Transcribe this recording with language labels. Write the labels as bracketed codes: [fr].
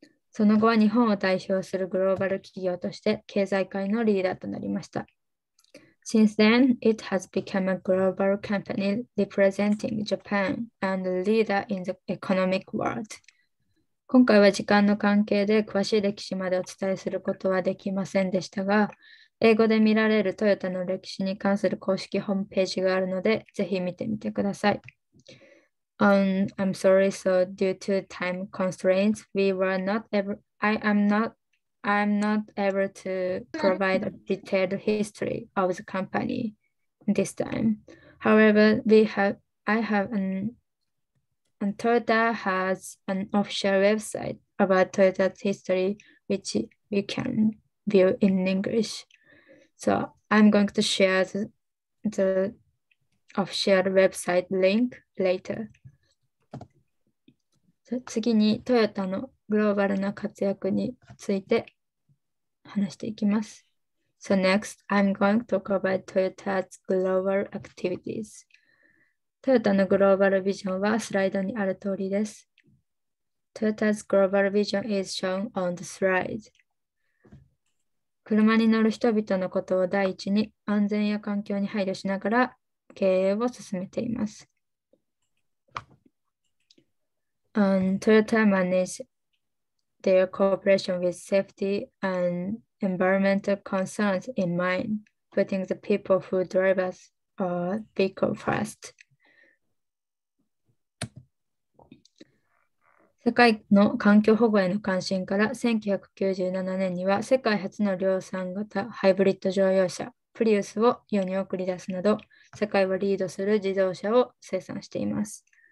[ja] その後は日本を代表するグローバル企業として経済界のリーダーとなりました。 [en] Since then, it has become a global company representing Japan and a leader in the economic world. [ja] 今回は時間の関係で詳しい歴史までお伝えすることはできませんでしたが、英語で見られるトヨタの歴史に関する公式ホームページがあるので、ぜひ見てみてください。 [en] I'm sorry, so due to time constraints, I'm not able to provide a detailed history of the company this time. However, Toyota has an official website about Toyota's history, which we can view in English. So I'm going to share the official website link later. [ja] 次にトヨタのグローバルな活躍について話していきます。 [en] So next, I'm going to talk about Toyota's global activities. [ja] トヨタのグローバルビジョンはスライドにある通りです。 [en] Toyota's global vision is shown on the slide. [ja] 車に乗る人々のことを第一に安全や環境に配慮しながら経営を進めています。 [en] Toyota managed their cooperation with safety and environmental concerns in mind, putting the people who drive us our vehicle first. [ja] 世界の環境保護への関心から1997年には世界初の量産型ハイブリッド乗用車プリウスを世に送り出すなど世界をリードする自動車を生産しています。